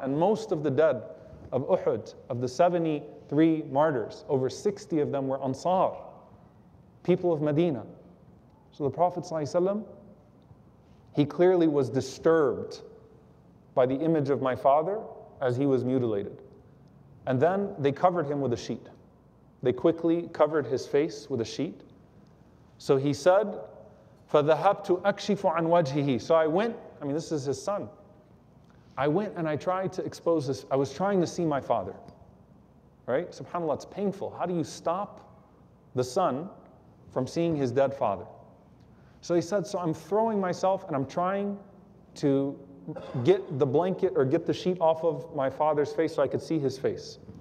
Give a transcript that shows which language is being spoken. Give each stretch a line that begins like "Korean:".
English: And most of the dead of Uhud, of the 73 martyrs, over 60 of them were Ansar, people of Medina. So the Prophet ﷺ, he clearly was disturbed by the image of my father as he was mutilated. And then they covered him with a sheet. They quickly covered his face with a sheet. So he said,
Arabic: فَذَهَبْتُ أَكْشِفُ عَنْ وَجْهِهِ.
English: So I went, I mean, this is his son. I went and I tried to expose this. I was trying to see my father, right? SubhanAllah, it's painful. How do you stop the son from seeing his dead father? So he said, so I'm throwing myself and I'm trying to get the blanket or get the sheet off of my father's face so I could see his face.